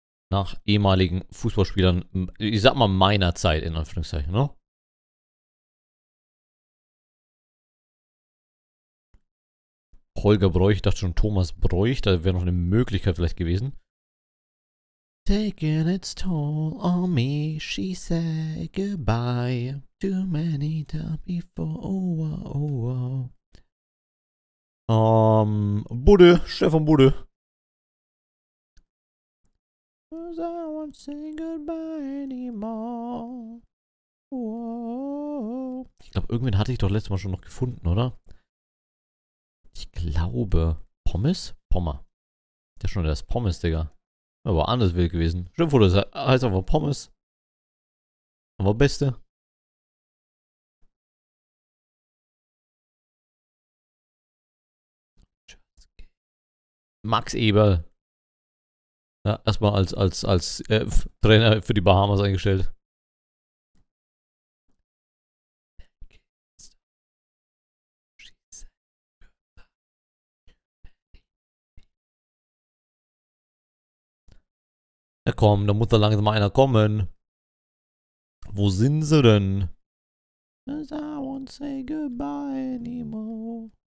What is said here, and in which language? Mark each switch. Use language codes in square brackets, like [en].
[de] Nach ehemaligen Fußballspielern, ich sag mal meiner Zeit, in Anführungszeichen, ne? Holger Bräuch, ich dachte schon Thomas Bräuch, da wäre noch eine Möglichkeit vielleicht gewesen. [en] Taking its toll on me, she said goodbye. Too many times before, oh wow, oh wow. Budde, Stefan Budde. Cause I won't say goodbye anymore. Wow. [de] Ich glaube, irgendwen hatte ich doch letztes Mal schon noch gefunden, oder? Ich glaube, Pommes? Pommer. Der schon, der ist Pommes, Digga. Aber anders wild gewesen. Schimpfwurde heißt einfach Pommes. Aber Beste. Max Eberl. Ja, erstmal als Trainer für die Bahamas eingestellt. Ja komm, da muss da langsam einer kommen. Wo sind sie denn? [en] Cause I won't say goodbye anymore.